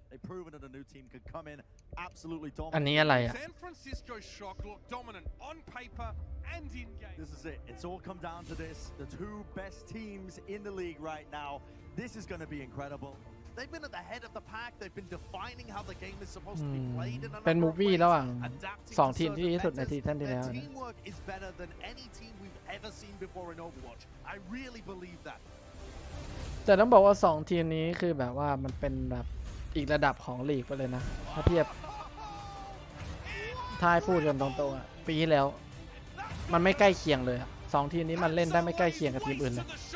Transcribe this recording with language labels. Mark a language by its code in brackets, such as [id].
[en] They've proven that a new team could come in absolutely dominant. San Francisco Shock look dominant on paper and in-game. This is it. It's all come down to this. The two best teams in the league right now. This is going to be incredible. They've been at the head of the pack. They've been defining how the game is supposed to be played. [th] เป็นมูฟวี่ระหว่าง2ทีมที่ดีที่สุดในซีซั่นที่แล้วนะ [en] Their teamwork is better than any team we've ever seen before in Overwatch. I really believe that. [th] แต่ต้องบอกว่า2ทีมนี้คือแบบว่ามันเป็นแบบอีกระดับของลีกไปเลยนะถ้าเทียบทายพูดกันตรงๆปีที่แล้วมันไม่ใกล้เคียงเลย2ทีมนี้มันเล่นได้ไม่ใกล้เคียงกับทีมอื่นเลย